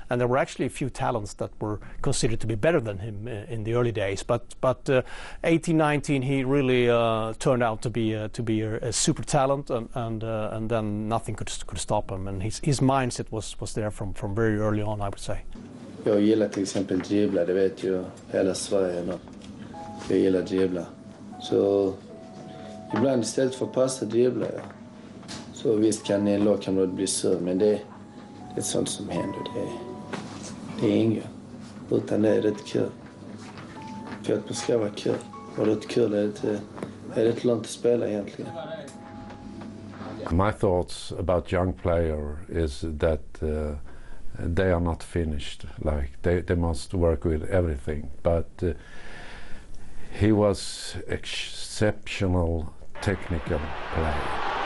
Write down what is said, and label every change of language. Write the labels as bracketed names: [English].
[English] And there were actually a few talents that were considered to be better than him in the early days. But 18, 19, he really turned out to be a super talent, and then nothing could stop him. And his mindset was there from very early on, I would say. [Swedish] Jag gillar till exempel dribbla, det vet ju hela Sverige. Jag gillar dribbla. Så ibland istället för att passa dribbla, så visst kan en lagkamrat bli sur, men det är sånt som händer. Det är inget. Utan det är rätt kul. För att man ska vara kul. Och rätt kul är rätt långt att spela egentligen. [English] My thoughts about young player is that they are not finished. Like they must work with everything. But he was exceptional technical player.